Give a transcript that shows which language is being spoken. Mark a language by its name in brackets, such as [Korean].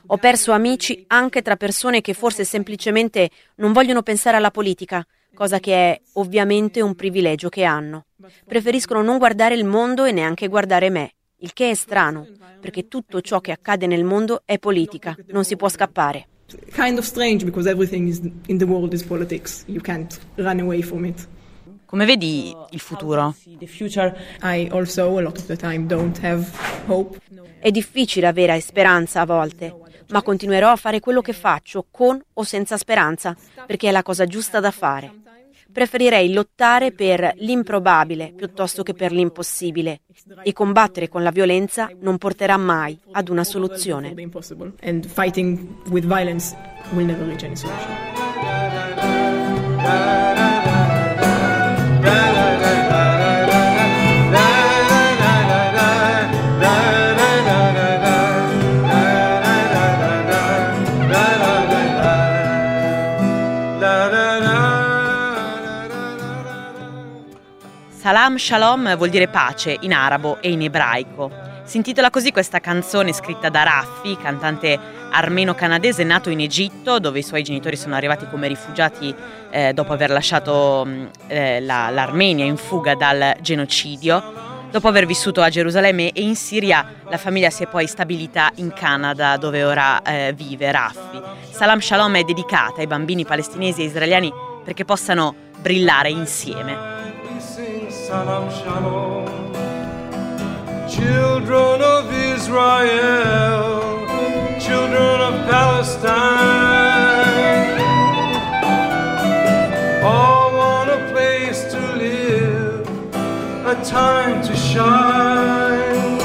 [Italian] Ho perso amici anche tra persone che forse semplicemente non vogliono pensare alla politica, cosa che è ovviamente un privilegio che hanno. Preferiscono non guardare il mondo e neanche guardare me, il che è strano, perché tutto ciò che accade nel mondo è politica, non si può scappare. [English] Kind of strange because everything in the world is politics. You can't run away from it. [Italian] Come vedi il futuro? [English] I also a lot of the time don't have hope. [Italian] È difficile avere speranza a volte, ma continuerò a fare quello che faccio, con o senza speranza, perché è la cosa giusta da fare. Preferirei lottare per l'improbabile piuttosto che per l'impossibile, e combattere con la violenza non porterà mai ad una soluzione. [English] And fighting with violence will never reach any solution. [Italian] Salam Shalom vuol dire pace in arabo e in ebraico. Si intitola così questa canzone scritta da Raffi, cantante armeno-canadese nato in Egitto, dove i suoi genitori sono arrivati come rifugiati dopo aver lasciato l'Armenia in fuga dal genocidio. Dopo aver vissuto a Gerusalemme e in Siria, la famiglia si è poi stabilita in Canada, dove ora vive Raffi. Salam Shalom è dedicata ai bambini palestinesi e israeliani perché possano brillare insieme. [English] Salam Shalom, children of Israel, children of Palestine, all want a place to live, a time to shine.